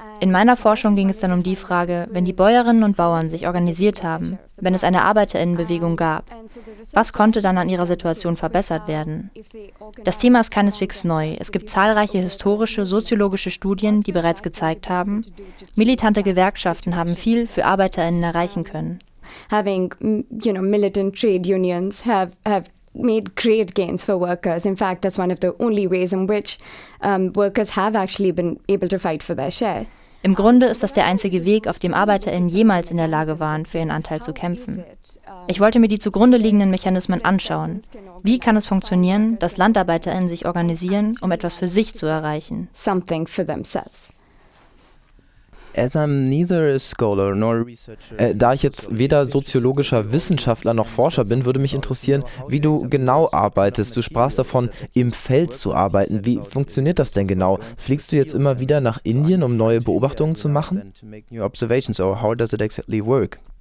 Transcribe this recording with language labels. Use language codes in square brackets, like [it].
[de] In meiner Forschung ging es dann um die Frage, wenn die Bäuerinnen und Bauern sich organisiert haben, wenn es eine ArbeiterInnenbewegung gab, was konnte dann an ihrer Situation verbessert werden? Das Thema ist keineswegs neu. Es gibt zahlreiche historische, soziologische Studien, die bereits gezeigt haben, militante Gewerkschaften haben viel für ArbeiterInnen erreichen können. [en] Having, you know, militant trade unions have made great gains for workers. In fact, that's one of the only ways in which workers have actually been able to fight for their share. [de] Im Grunde ist das der einzige Weg, auf dem ArbeiterInnen jemals in der Lage waren, für ihren Anteil zu kämpfen. Ich wollte mir die zugrunde liegenden Mechanismen anschauen. Wie kann es funktionieren, dass LandarbeiterInnen sich organisieren, um etwas für sich zu erreichen? [en] Something for themselves. [de] Da ich jetzt weder soziologischer Wissenschaftler noch Forscher bin, würde mich interessieren, wie du genau arbeitest. Du sprachst davon, im Feld zu arbeiten. Wie funktioniert das denn genau? Fliegst du jetzt immer wieder nach Indien, um neue Beobachtungen zu machen? [en] How does it exactly work?